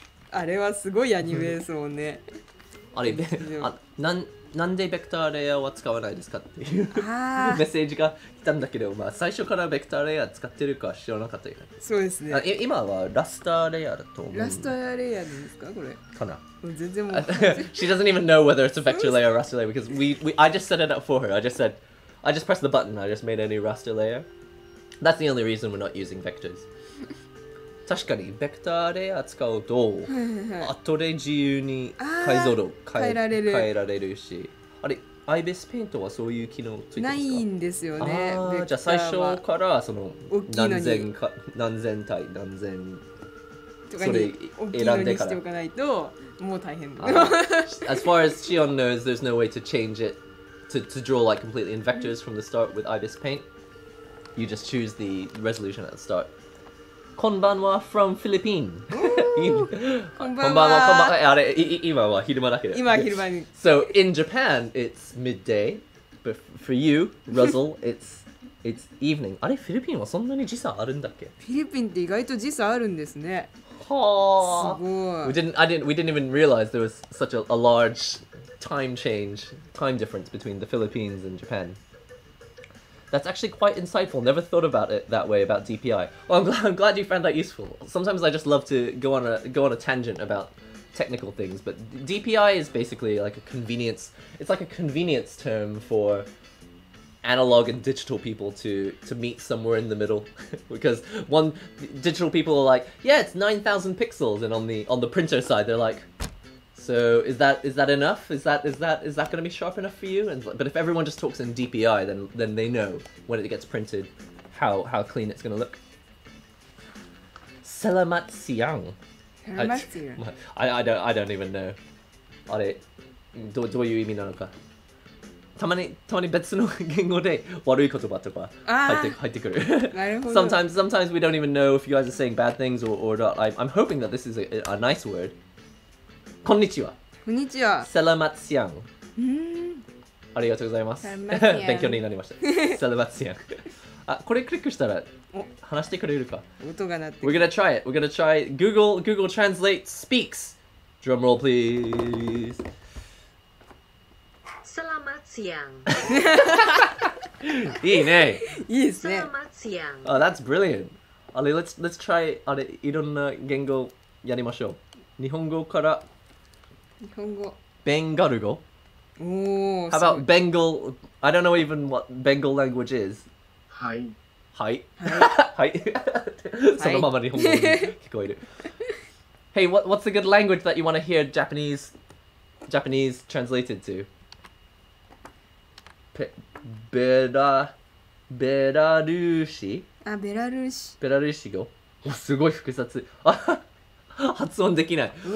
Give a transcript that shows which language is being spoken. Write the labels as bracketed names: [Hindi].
[Japanese] あれはすごいアニメですもんね。あれなんでベクターレイヤーは使わないですかっていうメッセージが来たんだけど、まあ最初からベクターレイヤー使ってるか知らなかったよね。そうですね。今はラスターレイヤーだと思う。ラスターレイヤーですかこれ？かな。全然もう。 [English] She doesn't even know whether it's a vector layer or raster layer because I just set it up for her. I just pressed the button. I just made a new raster layer. That's the only reason we're not using vectors. [Japanese] 確かにベクターレイヤー使うと後で自由に解像度変えられるし、あれアイベスペイントはそういう機能ついてますか？ないんですよね。じゃあ最初からその何千か何千体何千とかに大きいのにしておかないともう大変だ。 [English] As far as Shion knows, there's no way to change it to draw like completely in vectors from the start with Ibis Paint. You just choose the resolution at the start. [Japanese] こんばんは [English] from [Japanese] フィリピン。こんばんは。あれ、今は昼間だけど。今は昼間に。 [English] So in Japan it's midday, but for you, Russell, it's evening. [Japanese] あれ、フィリピンはそんなに時差あるんだっけ？フィリピンって意外と時差あるんですね。はあ。すごい。 [English] We didn't even realize there was such a large time difference between the Philippines and Japan. That's actually quite insightful. Never thought about it that way about DPI. Well, I'm glad you found that useful. Sometimes I just love to go on a tangent about technical things, but DPI is basically like a convenience. It's like a convenience term for analog and digital people to meet somewhere in the middle. Because one digital people are like, yeah, it's 9,000 pixels, and on the printer side they're like. So is that enough? Is that going to be sharp enough for you? But if everyone just talks in DPI, then they know when it gets printed, how clean it's going to look. [Indonesian] Selamat siang. Selamat siang. [English] I don't even know. [Japanese] あれ、どういう意味なのか。たまに別の言語で悪い言葉とか入ってくる。なるほど。 [English] Sometimes we don't even know if you guys are saying bad things or not. I'm hoping that this is a nice word. [Japanese] こんにちは。こんにちは。セラマツヤン。うん。ありがとうございます。勉強になりました。セラマツヤン。あ、これクリックしたら話してくれるか。音が鳴って。 [English] We're gonna try it. We're gonna try Google Translate speaks. Drum roll, please. [Japanese] セラマツヤン。いいね。いいですね。セラマツヤン。 [English] Oh, that's brilliant. [Japanese] あれ、 [English] let's try [Japanese] あれいろんな言語やりましょう。日本語から。日本語。ベンガル語。おお。 [English] How about Bengal? I don't know even what Bengal language is. [Japanese] はい。はい。はい。そのまま日本語に聞こえる。 [English] Hey, what's a good language that you want to hear Japanese translated to? [Japanese] ベラルーシ。あ、ベラルーシ。ベラルーシ語。お、すごい複雑。発音できない。